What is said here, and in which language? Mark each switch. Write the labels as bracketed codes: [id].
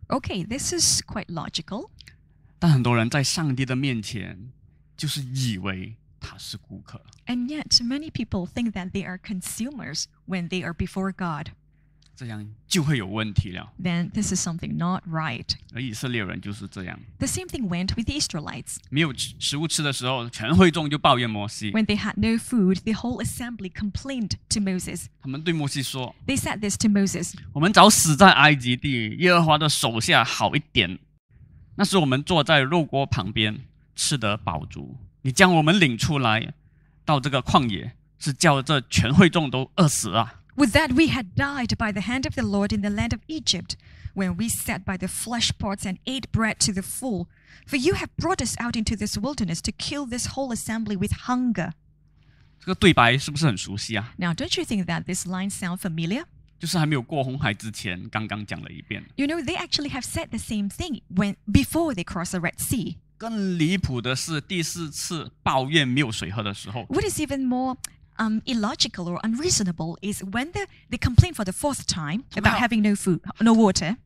[en] Okay, this is quite logical. [zh] 但很多人在上帝的面前就是以为他是顾客。 [en] And yet many people think that they are consumers when they are before God. [zh] 这样就会有问题了。 [en] Then this is something not right. [zh] 而以色列人就是这样。 [en] The same thing went with the Israelites. [zh] 没有食物吃的时候, 全会众就抱怨摩西。 [en] When they had no food, the whole assembly complained to Moses. [zh] 他们对摩西说, [en] they said this to Moses. [zh] 我们早死在埃及地, 耶和华的手下好一点。那时我们坐在肉锅旁边, 吃得饱足。你将我们领出来, 到这个旷野, 是叫这全会众都饿死啊。 [en] With that, we had died by the hand of the Lord in the land of Egypt, when we sat by the flesh pots and ate bread to the full. For you have brought us out into this wilderness to kill this whole assembly with hunger. [zh] 这个对白是不是很熟悉啊? [en] Now, don't you think that this line sounds familiar? [zh] 就是还没有过红海之前刚刚讲了一遍。 [en] You know, they actually have said the same thing before they crossed the Red Sea. [zh] 更离谱的是第四次抱怨没有水喝的时候。 [en] What is even more illogical or unreasonable is when they complain for the fourth time about having no food, no water.